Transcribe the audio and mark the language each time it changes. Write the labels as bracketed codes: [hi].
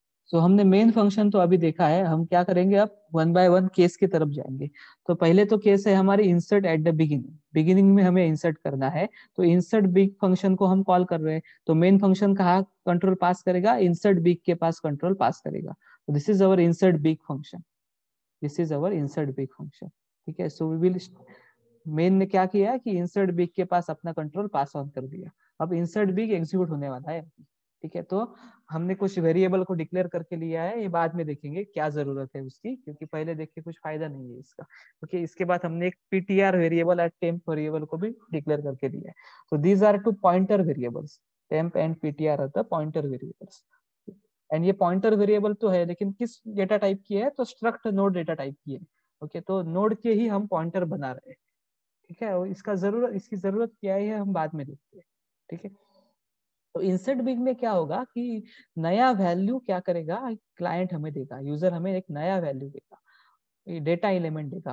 [hi] So हमने main function तो अभी देखा है. हम क्या करेंगे अब वन बाय वन केस की तरफ जाएंगे. तो पहले तो केस है हमारे insert at the beginning. Beginning में हमें इंसर्ट करना है तो इंसर्ट बिग फंक्शन को हम कॉल कर रहे हैं. तो मेन फंक्शन कहाँ कंट्रोल पास करेगा? इंसर्ट बिग के पास कंट्रोल पास करेगा. [en] This is our insert big function. This is our insert big function. [hi] ठीक है. [en] So we will [hi] main ने क्या किया कि insert big के पास अपना control pass on कर दिया. अब insert big execute होने वाला है. ठीक है. तो हमने कुछ variable को declare करके लिया है. ये बाद में देखेंगे क्या जरूरत है उसकी, क्योंकि पहले देख के कुछ फायदा नहीं है इसका. ओके. इसके बाद हमने एक ptr variable और temp variable को भी declare करके दिया है. [en] So these are two pointer variables. Temp and ptr are the pointer variables. [hi] And ये पॉइंटर वेरिएबल तो है, लेकिन किस डेटा टाइप की है? तो स्ट्रक्ट नोड डेटा टाइप की है. ओके. तो नोड के ही हम पॉइंटर बना रहे हैं. ठीक है. और इसका जरूरत इसकी जरूरत क्या है हम बाद में देखते हैं. ठीक है. तो इंसर्ट बिग में क्या होगा कि नया वैल्यू क्या करेगा, क्लाइंट हमें देगा, यूजर हमें एक नया वैल्यू देगा, डेटा एलिमेंट देगा.